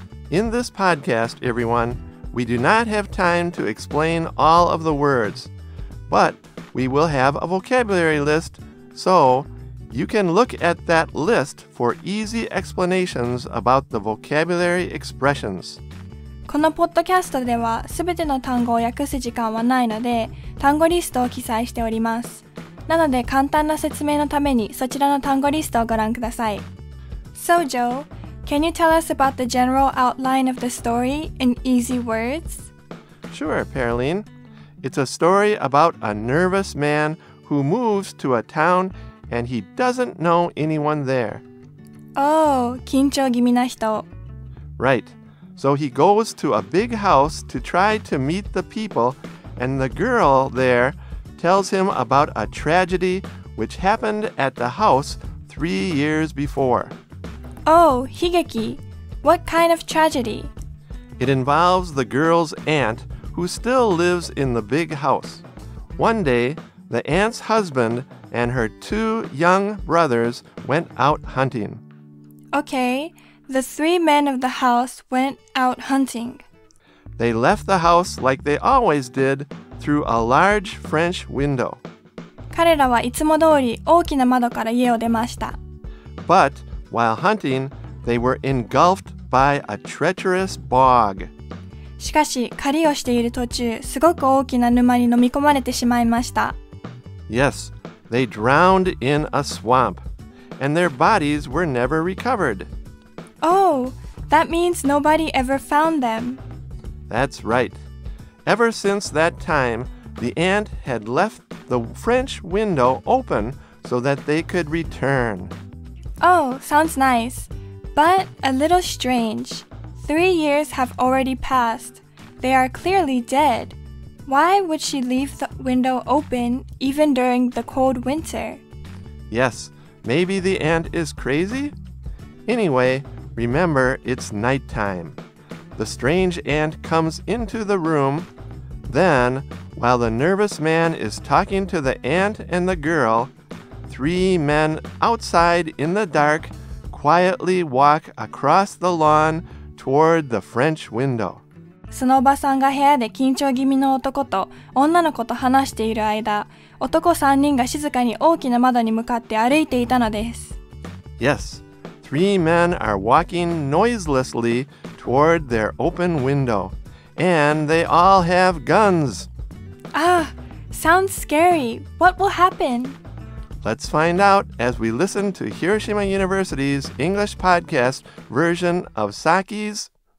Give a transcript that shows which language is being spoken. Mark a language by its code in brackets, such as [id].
[en] In this podcast, everyone, we do not have time to explain all of the words, but we will have a vocabulary list, so you can look at that list for easy explanations about the vocabulary expressions. [ja] このポッドキャストでは全ての単語を訳す時間はないので、単語リストを記載しております。なので簡単な説明のためにそちらの単語リストをご覧ください。 [en] So Joe, can you tell us about the general outline of the story in easy words? Sure, Pearline. It's a story about a nervous man who moves to a town and he doesn't know anyone there. [ja] Oh, 緊張気味な人。 [en] Right. So he goes to a big house to try to meet the people, and the girl there tells him about a tragedy which happened at the house 3 years before. Oh, higeki. What kind of tragedy? It involves the girl's aunt, who still lives in the big house. One day, the aunt's husband and her two young brothers went out hunting. Okay, the three men of the house went out hunting. They left the house like they always did, through a large French window. [ja] 彼らはいつも通り大きな窓から家を出ました。 [en] But while hunting, they were engulfed by a treacherous bog. [ja] しかし、狩りをしている途中、すごく大きな沼に飲み込まれてしまいました。 [en] Yes, they drowned in a swamp, and their bodies were never recovered. Oh, that means nobody ever found them. That's right. Ever since that time, the aunt had left the French window open so that they could return. Oh, sounds nice. But a little strange. 3 years have already passed. They are clearly dead. Why would she leave the window open even during the cold winter? Yes, maybe the aunt is crazy? Anyway, remember, it's nighttime. The strange aunt comes into the room. Then, while the nervous man is talking to the aunt and the girl, three men outside in the dark quietly walk across the lawn toward the French window. [ja] そのおばさんが部屋で緊張気味の男と女の子と話している間、男3人が静かに大きな窓に向かって歩いていたのです。 [en] Yes, three men are walking noiselessly toward their open window, and they all have guns. Ah, sounds scary. What will happen? Let's find out as we listen to Hiroshima University's English podcast version of Saki's...